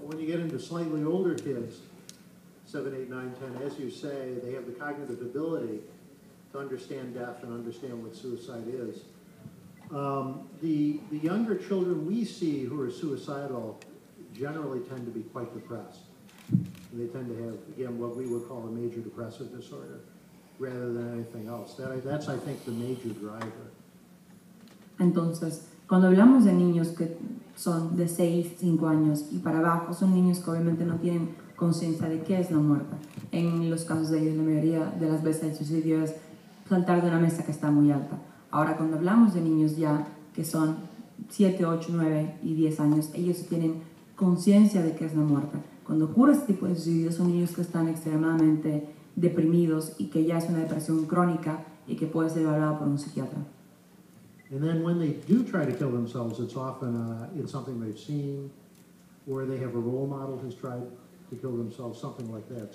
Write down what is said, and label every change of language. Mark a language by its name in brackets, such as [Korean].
[English] When you get into slightly older kids, 7, 8, 9, 10, as you say, they have the cognitive ability to understand death and understand what suicide is. The younger children we see who are suicidal generally tend to be quite depressed. And they tend to have, again, what we would call a major depressive disorder rather than anything else. That's, I think, the major driver. [Spanish] Entonces, cuando hablamos de niños que son de 6, 5 años y para abajo, son niños que obviamente no tienen conciencia de qué es la muerte. En los casos de ellos, la mayoría de las veces el suicidio es saltar de una mesa que está muy alta. Ahora, cuando hablamos de niños ya que son 7, 8, 9 y 10 años, ellos tienen conciencia de qué es la muerte. Cuando ocurre este tipo de suicidio son niños que están extremadamente deprimidos y que ya es una depresión crónica y que puede ser evaluado por un psiquiatra. [English] And then when they do try to kill themselves, it's often in something they've seen, or they have a role model who's tried to kill themselves, something like that.